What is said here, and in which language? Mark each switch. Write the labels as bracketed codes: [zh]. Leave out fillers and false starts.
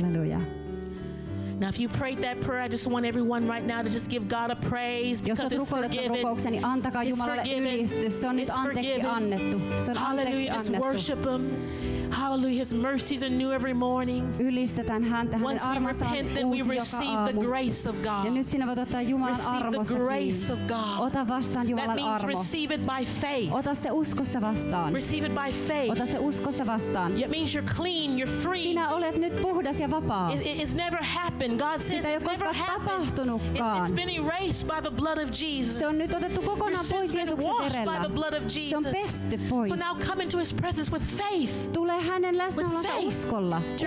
[en] Now if you prayed that prayer, I just want everyone right now to just give God a praise because it's forgiven. [fi] Rukoukseni, antakaa Jumalalle ylistys. Se on nyt anteeksi annettu. Se on anteeksi annettu. [en] Just worship him. Hallelujah, his mercies are new every morning. [fi] Ylistetään häntä, hänen armonsa on uusi joka aamu. Ja nyt sinä voit ottaa Jumalan armosta kiinni. Ota vastaan Jumalan armo. [en] Receive it by faith. [fi] Ota se uskossa vastaan. [en] Receive it by faith. [fi] Ota se uskossa vastaan. [en] It means you're clean, you're free. [fi] Sinä olet nyt puhdas ja vapaa. [en] It's never happened. God says it's never [fi] tapahtunutkaan. [en] It's been erased by the blood of Jesus. [fi] Se on nyt otettu kokonaan pois Jeesuksen verellä. [en] By the blood of Jesus. [fi] Se on pesty pois. [en] So now come into his presence with faith. [fi] Hänen läsnäolonsa uskolla.